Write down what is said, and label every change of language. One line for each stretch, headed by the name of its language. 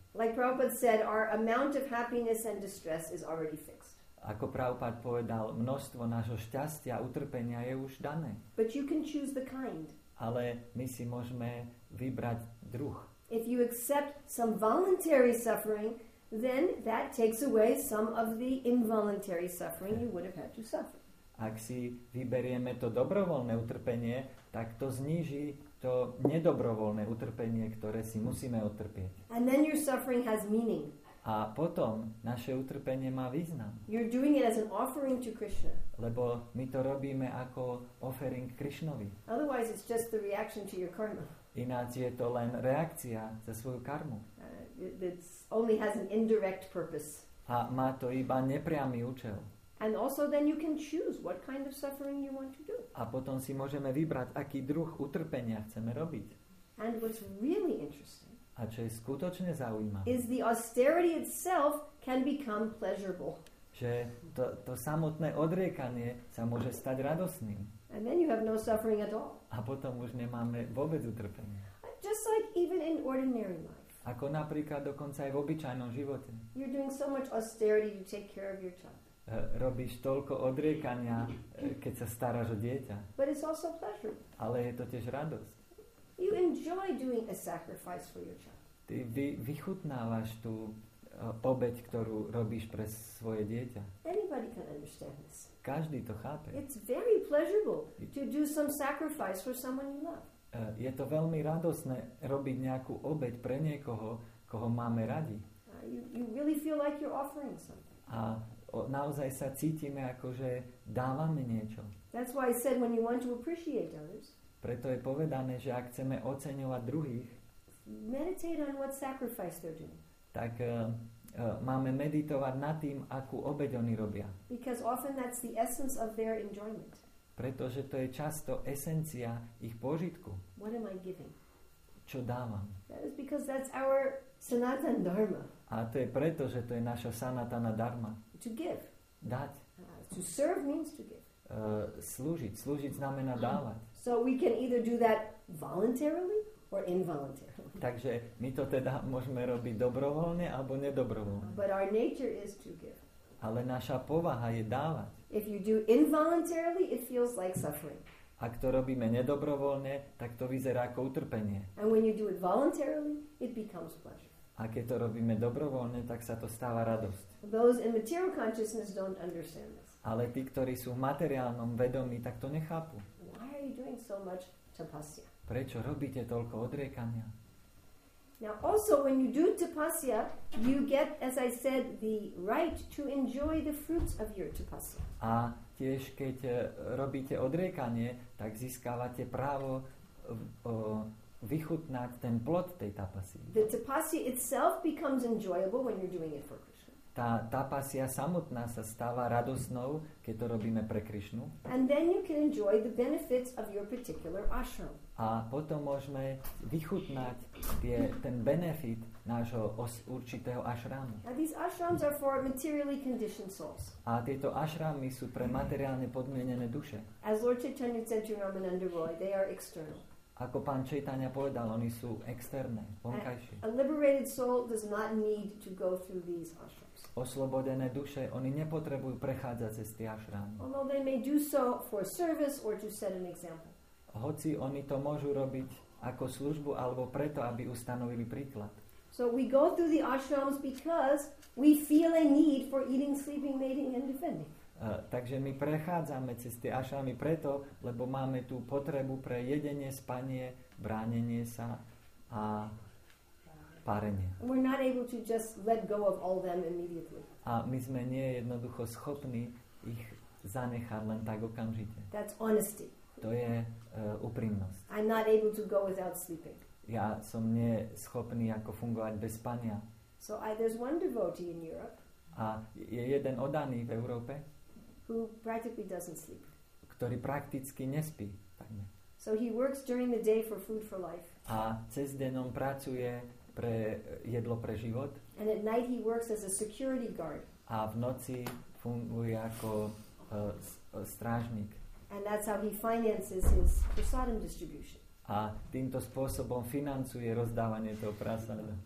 English: Like Prabhupada said, our amount of happiness and distress is already fixed.
Slovak: Ako Prabhupada povedal, množstvo nášho šťastia a utrpenia je už dané.
English: But you can choose the kind.
Slovak: Ale my si môžeme vybrať druh.
English: If you accept some voluntary suffering, then that takes away some of the involuntary suffering you would have had to suffer.
Slovak: Ak si vyberieme to dobrovoľné utrpenie, tak to zníži to nedobrovoľné utrpenie, ktoré si musíme utrpieť.
English: And then your suffering has meaning.
Slovak: A potom naše utrpenie má význam.
English: You're doing it as an offering to Krishna.
Slovak: Lebo my to robíme ako offering Krishnovi.
English: Otherwise it's just the reaction to your karma.
Slovak: Ináč je to len reakcia za svoju karmu.
English: It's only has an indirect purpose.
Slovak: A má to iba nepriamy účel.
English: And also then you can choose what kind of suffering you want to do.
Slovak: A potom si môžeme vybrať, aký druh utrpenia chceme robiť.
English: And what's really interesting,
Slovak: a čo je skutočne zaujímavé,
English: is the austerity itself can become pleasurable.
Slovak: Že to samotné odriekanie sa môže stať radosným.
English: And then you have no suffering at all.
Slovak: A potom už nemáme vôbec utrpenie.
English: Just like even in ordinary life.
Slovak: Ako napríklad dokonca aj v obyčajnom živote.
English: You're doing so much austerity to take care of your child.
Slovak: Robíš toľko odriekania, keď sa staráš o dieťa.
English: But it's also pleasure.
Slovak: Ale je to tiež radosť.
English: You enjoy doing a sacrifice for your child.
Slovak: Ty vychutnávaš tú obeť, ktorú robíš pre svoje dieťa.
English: Anybody can understand this.
Slovak: Každý to chápe.
English: It's very pleasurable to do some sacrifice for someone you love.
Slovak: Je to veľmi radosné robiť nejakú obeť pre niekoho, koho máme radi.
English: You really feel like you're offering something.
Slovak: A naozaj sa cítime, ako že dávame niečo.
English: That's why I said when you want to appreciate others.
Slovak: Preto je povedané, že ak chceme oceňovať druhých,
English: meditate on what sacrifice they're doing.
Slovak: Tak máme meditovať nad tým, akú obeť oni robia.
English: Because often that's the essence of their enjoyment.
Slovak: Pretože to je často esencia ich požitku.
English: What am I giving?
Slovak: Čo dávam?
English: That is because that's our Sanatana Dharma.
Slovak: A to je preto, že to je naša Sanatana Dharma.
English: To give.
Slovak: Dať.
English: To serve means to give.
Slovak: Slúžiť. Slúžiť znamená dávať.
English: So we can either do that voluntarily or involuntarily.
Slovak: Takže my to teda môžeme robiť dobrovoľne alebo nedobrovoľne.
English: But our nature is to give.
Slovak: Ale naša povaha je dávať.
English: If you do involuntarily, it feels like suffering.
Slovak: Ak to robíme nedobrovoľne, tak to vyzerá ako utrpenie.
English: And when you do it voluntarily, it becomes pleasure.
Slovak: A keď to robíme dobrovoľne, tak sa to stáva radosť.
English: Those in material consciousness don't understand this.
Slovak: Ale tí, ktorí sú v materiálnom vedomí, tak to nechápu.
English: Why are you doing so much tapasya?
Slovak: Prečo robíte toľko odriekania?
English: Now also when you do tapasya, you get, as I said, the right to enjoy the fruits of your tapasya.
Slovak: A tiež keď robíte odriekanie, tak získavate právo vychutnať ten plod tej tapasy.
English: The tapasya itself becomes enjoyable when you're doing it for Krishna.
Slovak: Tá tapasya samotná sa stáva radosnou, keď to robíme pre Krishnu.
English: And then you can enjoy the benefits of your particular ashram.
Slovak: A potom môžeme vychutnať ten benefit nášho určitého ashramu.
English: And these ashrams are for materially conditioned souls.
Slovak: A tieto ashramy sú pre materiálne podmienené duše.
English: As Lord Chaitanya said to Ramananda Roy, they are external.
Slovak: Ako pán Chaitanya povedal, oni sú externé, vonkajšie.
English: A liberated soul does not need to go through these ashrams.
Slovak: Oslobodené duše, oni nepotrebujú prechádzať cez tie ashramy.
English: Although they may do so for service or to set an example.
Slovak: Hoci oni to môžu robiť ako službu alebo preto, aby ustanovili príklad.
English: So we go through the ashrams because we feel a need for eating, sleeping, mating and defending.
Slovak: Takže my prechádzame cez tie ashramy preto, lebo máme tú potrebu pre jedenie, spanie, bránenie sa a párenie.
English: We're not able to just let go of all them immediately.
Slovak: A my sme nie jednoducho schopní ich zanechať len tak okamžite.
English: That's honesty.
Slovak: To je úprimnosť.
English: I'm not able to go without sleeping.
Slovak: Ja som nie schopný ako fungovať bez spania.
English: So there's one devotee in Europe.
Slovak: A je jeden oddaný v Európe.
English: Who practically doesn't sleep.
Slovak: Ktorý prakticky nespí. Takmer.
English: So he works during the day for food for life.
Slovak: A cez deň on pracuje pre jedlo pre život.
English: And at night he works as a security guard.
Slovak: A v noci funguje ako strážnik.
English: And that's how he finances his prasadam distribution.
Slovak: A týmto spôsobom financuje rozdávanie toho prasada.